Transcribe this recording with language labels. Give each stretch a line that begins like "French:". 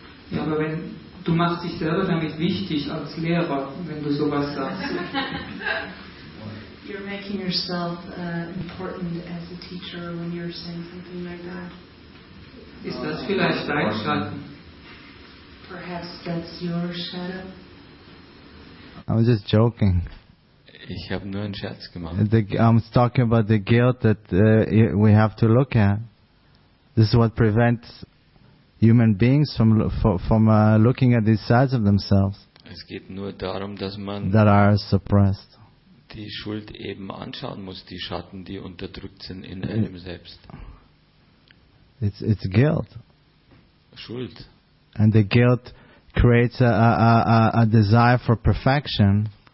German: Ja, aber wenn du machst dich selber damit wichtig als Lehrer, wenn du sowas sagst.
English: You're making yourself important as a teacher when you're saying something like that.
German: Is that vielleicht dein Schatten?
English: Perhaps that's your shadow. I was just joking.
German: Ich habe nur einen Scherz gemacht.
English: I'm talking about the guilt that we have to look at. This is what prevents human beings from looking at these sides of themselves.
German: Es geht nur darum, dass man
English: that are suppressed.
German: Die Schuld eben anschauen muss, die Schatten, die unterdrückt sind in einem selbst.
English: It's guilt.
German: Schuld.
English: And the guilt creates a desire for perfection.